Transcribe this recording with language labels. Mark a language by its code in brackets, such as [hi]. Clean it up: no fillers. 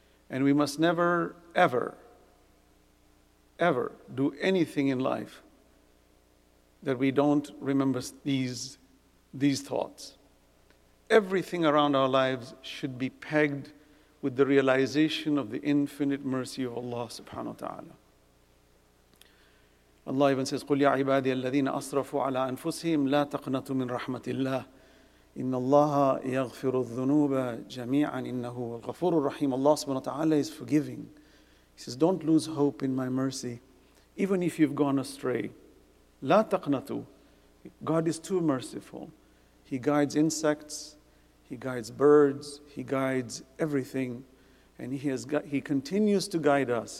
[en] And we must never, ever, ever do anything in life that we don't remember these thoughts. Everything around our lives should be pegged with the realization of the infinite mercy of Allah subhanahu wa ta'ala. Allah even says, [ar] قُلْ يَا عِبَادِيَ الَّذِينَ أَصْرَفُوا عَلَىٰ أَنفُسِهِمْ لَا تَقْنَطُوا مِنْ رَحْمَةِ اللَّهِ إن الله يغفر الذنوب جميعا إنه الغفور الرحيم. [en] Allah subhanahu wa ta'ala is forgiving. He says, don't lose hope in my mercy, even if you've gone astray. [ar] لا تقنطوا. [en] God is too merciful. He guides insects, he guides birds, he guides everything, and he continues to guide us.